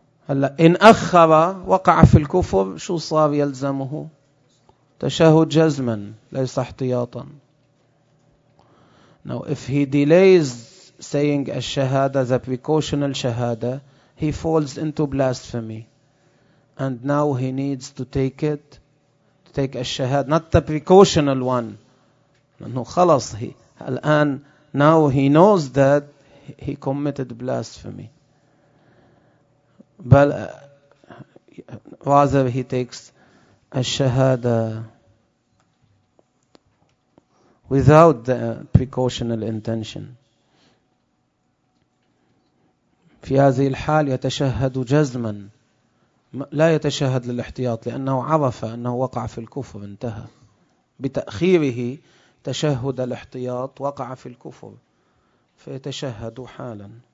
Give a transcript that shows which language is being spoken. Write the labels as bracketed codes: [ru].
[ar] إن أخر وقع في الكفر شو صار يلزمه؟ تشهد جزما ليس احتياطا. [en] Now if he delays saying الشهاده, the precautional shahada, he falls into blasphemy. And now he needs to take it, to take الشهاده, not the precautional one. [ar] لأنه خلص الآن, [en] now he knows that he committed blasphemy. But rather he takes al-shahada without the precautional intention. [ar] في هذه الحال يتشهد جزما لا يتشهد للاحتياط لأنه عرف أنه وقع في الكفر انتهى بتأخيره تشهد الاحتياط وقع في الكفر فيتشهد حالا.